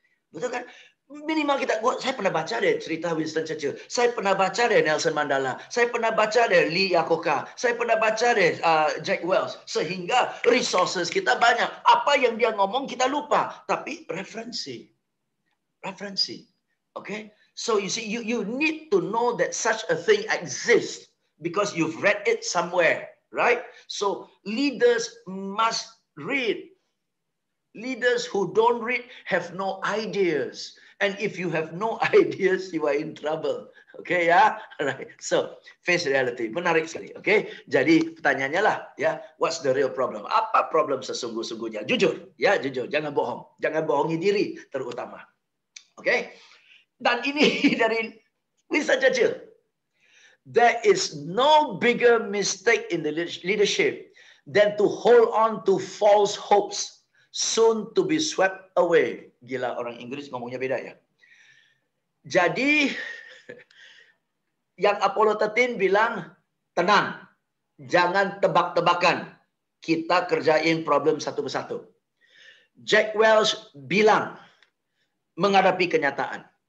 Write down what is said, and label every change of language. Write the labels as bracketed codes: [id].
[id] Betul kan? Minimal kita, saya pernah baca deh cerita Winston Churchill. Saya pernah baca deh Nelson Mandela. Saya pernah baca deh Lee Iacocca. Saya pernah baca deh Jack Welch. Sehingga resources kita banyak. Apa yang dia ngomong kita lupa. Tapi referensi. Referensi. Okay? [en] So you see, you need to know that such a thing exists. Because you've read it somewhere. Right? So leaders must read. Leaders who don't read have no ideas. And if you have no ideas, you are in trouble. Okay, ya? Yeah? Right. So, face reality. [id] Menarik sekali. [en] Okay? [id] Jadi, pertanyaannya lah. Yeah? [en] What's the real problem? [id] Apa problem sesungguh-sungguhnya? Jujur. Ya, yeah, jujur. Jangan bohong. Jangan bohongi diri terutama. Okay? Dan ini dari Winston Churchill. [en] There is no bigger mistake in the leadership than to hold on to false hopes soon to be swept away. [id] Gila, orang Inggris ngomongnya beda ya. Jadi, yang Apollo 13 bilang, tenang, jangan tebak-tebakan. Kita kerjain problem satu persatu. Jack Welch bilang, menghadapi kenyataan.